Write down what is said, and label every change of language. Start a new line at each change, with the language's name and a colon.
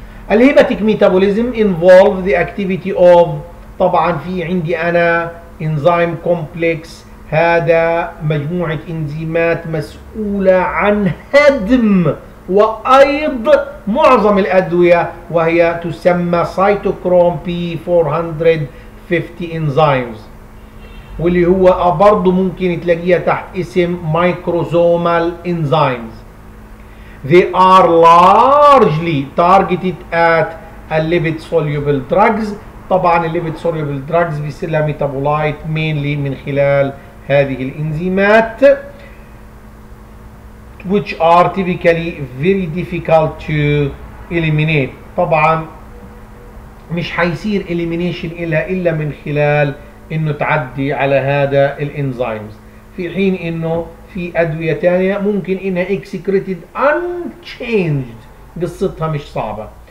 Arabic: الهيباتيك ميتابوليزم انفولف ذا اكتيفيتي اوف، طبعا في عندي انا انزيم كومبلكس، هذا مجموعه انزيمات مسؤوله عن هدم وايض معظم الادويه، وهي تسمى سايتوكروم بي 450 انزيمز، واللي هو برضه ممكن تلاقيها تحت اسم مايكروزومال انزيمز.
English: They are largely targeted at a lipid soluble drugs.
Arabic: طبعا الليبيد سوليبل دراجز بيصير لها ميتابولايت مينلي من خلال هذه الانزيمات،
English: which are typically very difficult to eliminate.
Arabic: طبعا مش حيصير elimination الا من خلال انه تعدي على هذا الانزيمز، في حين انه في ادوية تانية ممكن انها
English: excreted unchanged،
Arabic: قصتها مش صعبة.